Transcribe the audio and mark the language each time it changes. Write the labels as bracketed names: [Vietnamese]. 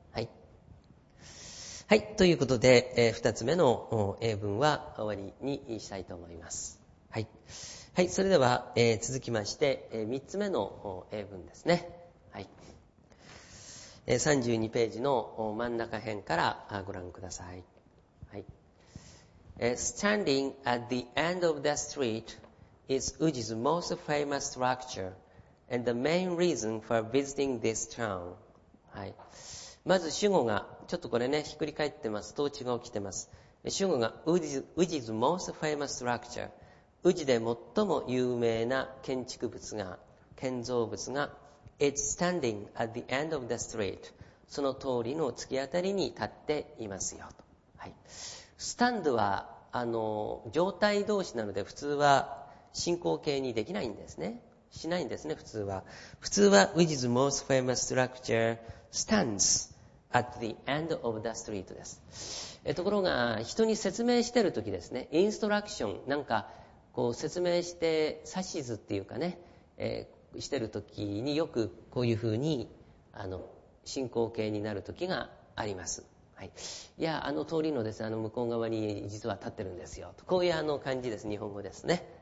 [Japanese] はい、はい、ということで、2つ目の英文は終わりにしたいと思います。はい、はい、それでは、続きまして、3つ目の英文ですね。はい、32ページの真ん中辺からご覧ください。 [English] はい、Standing at the end of the street is Uji's most famous structure and the main reason for visiting this town。 [Japanese] はい、まず主語がちょっとこれね、ひっくり返ってます。統治が起きてます。主語が [English] Uji's most famous structure、 [Japanese] 宇治で最も有名な建築物が、建造物が、 [English] It's standing at the end of the street。 [Japanese] その通りの突き当たりに立っていますよと。はい、スタンドは状態動詞なので普通は進行形にできないんですね、しないんですね。普通は [English] which is most famous structure stands at the end of the street [Japanese] です。ところが人に説明してるときですね、インストラクションなんかこう説明して指図っていうかね、してる時によくこういうふうに進行形になる時があります。はい、いや通りのですね、向こう側に実は立ってるんですよと、こういう感じです、日本語ですね。